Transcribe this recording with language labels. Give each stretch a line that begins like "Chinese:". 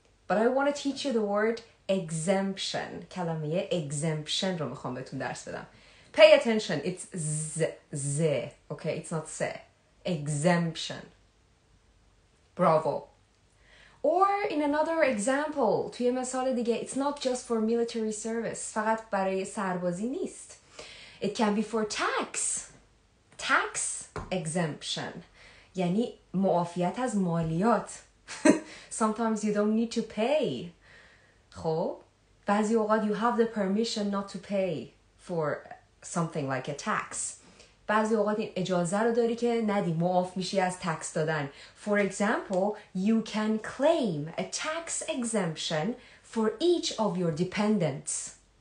English: But I want to teach you the word exemption.
Persian: کلمه exemption رو میخوام بهتون درس بدم.
English: Pay attention. It's z. Okay, it's not se. Exemption. Bravo. Or in another example,
Persian: توی مثال دیگه,
English: it's not just for military service.
Persian: فقط برای سربازی نیست.
English: It can be for tax. Tax exemption.
Persian: یعنی معافیت از مالیات.
English: Sometimes you don't need to pay.
Persian: خب, بعضی اوقات
English: you have the permission not to pay for something like a tax.
Persian: بعضی اوقات این اجازه رو داری که ندی, معاف میشی از تکس دادن.
English: For example, you can claim a tax exemption for each of your dependents.